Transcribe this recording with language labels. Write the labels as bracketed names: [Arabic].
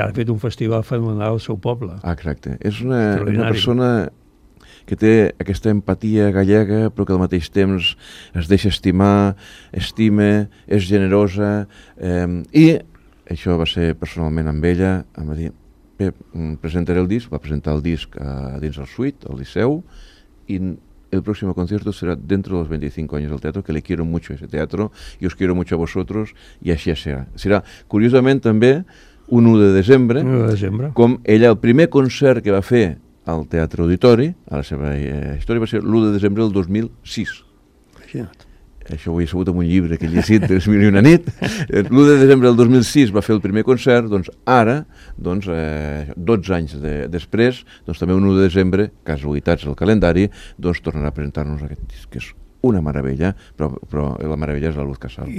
[Catalan] Ja ha fet un festival fenomenal al seu poble. Exacte. És una persona que té aquesta empatia gallega, però que al mateix temps es deixa estimar, estima, és generosa, i això va ser personalment amb ella. Em va dir, Pep, presentaré el disc. Va presentar el disc dins el Suite, al Liceu, i [Spanish] el próximo concierto será dentro de los 25 años del teatro, que le quiero mucho a ese teatro y os quiero mucho a vosotros, y así será. [Catalan] Será, curiosament, també un 1 de desembre, com ella, el primer concert que va fer al Teatre Auditori, a la seva història, va ser l'1 de desembre del 2006. Imagina't. Això ho he sabut en un llibre que he llegit, 3 mil i una nit. L'1 de desembre del 2006 va fer el primer concert, doncs ara, doncs, 12 anys després, doncs també un 1 de desembre, casualitats al calendari, doncs tornarà a presentar-nos aquest disc, que és una meravella, però la meravella és la Luz Casal.